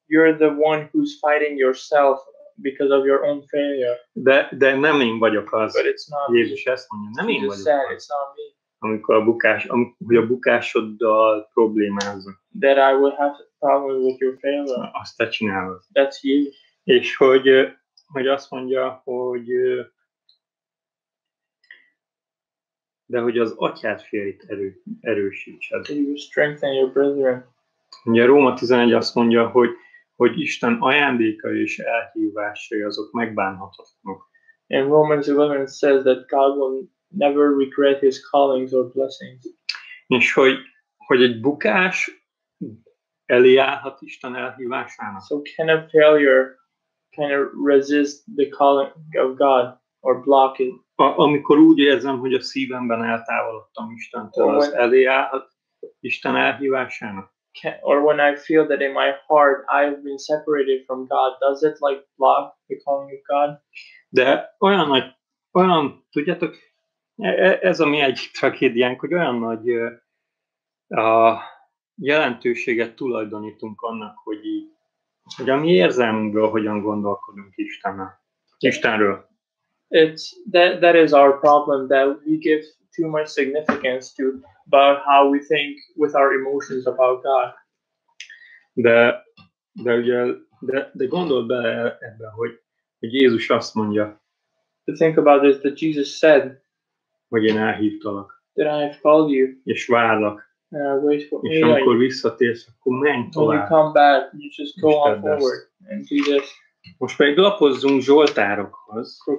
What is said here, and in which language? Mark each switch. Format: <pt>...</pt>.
<en>You're the one who's fighting yourself because of your own failure.</en> <hu>De nem én vagyok az.</hu> <en>But it's not</en> <hu>Jézus ezt mondja, nem én vagyok</hu> <en>said,</en> <hu>az.</hu> <en>It's not me.</en> <hu>Amikor a bukásoddal problémázok.</hu> <en>That I will have travel with your family.</en> <hu>Azt te csinálod.</hu> <en>That's you.</en> <hu>És hogy azt mondja, hogy de hogy az atyád fiait erősítsed.</hu> <en>Can you strengthen your brethren?</en> <hu>Ugye Róma 11 azt mondja, hogy Isten ajándékai és elhívásai azok megbánhatatlanok.</hu> <en>And Romans 11 says that God will never regret his callings or blessings.</en> <hu>És hogy egy bukás elé állhat Isten elhívásának.</hu> <en>So can a failure kind of resist the calling of God or block it?</en> <hu>Amikor úgy érzem, hogy a szívemben eltávolodtam Istentől, az elé állhat Isten elhívásának.</hu> <en>Or when I feel that in my heart I've been separated from God, does it like block the calling of God?</en> <hu>De olyan nagy, tudjátok, ez a mi egyik tragédiánk, hogy olyan nagy a jelentőséget tulajdonítunk annak, hogy a mi érzelmünkből hogyan gondolkodunk Istenről.</hu> <en>That is our problem, that we give too much significance to about how we think with our emotions about God.</en> <hu>De gondold bele ebben, hogy Jézus azt mondja.</hu> <en>To think about this, that Jesus said,</en> <hu>hogy én elhívtalak.</hu> <en>That I have called you.</en> <hu>És várlak.</hu> <en>And</en> <hu>és amikor visszatérsz, akkor menj tovább.</hu> <en>When you come back, you just go on forward. And Jesus.</en> <hu>Most pedig lapozzunk Zsoltárokhoz.</hu>